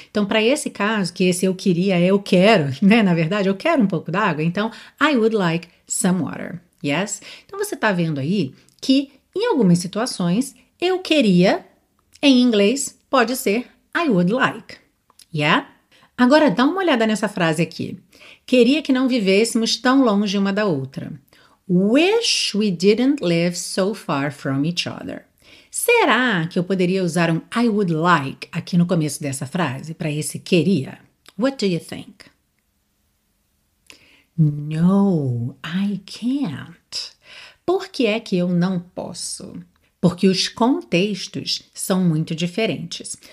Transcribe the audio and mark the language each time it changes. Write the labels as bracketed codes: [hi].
[pt] Então, para esse caso, que esse eu queria, eu quero, né? Na verdade, eu quero um pouco d'água, então [en] I would like some water, yes? [pt] Então, você está vendo aí que em algumas situações, eu queria, em inglês, pode ser [en] I would like, yeah? [pt] Agora dá uma olhada nessa frase aqui. Queria que não vivêssemos tão longe uma da outra. [en] Wish we didn't live so far from each other. [pt] Será que eu poderia usar um I would like aqui no começo dessa frase para esse queria? [en] What do you think? No, I can't. [pt] Por que é que eu não posso? Porque os contextos são muito diferentes.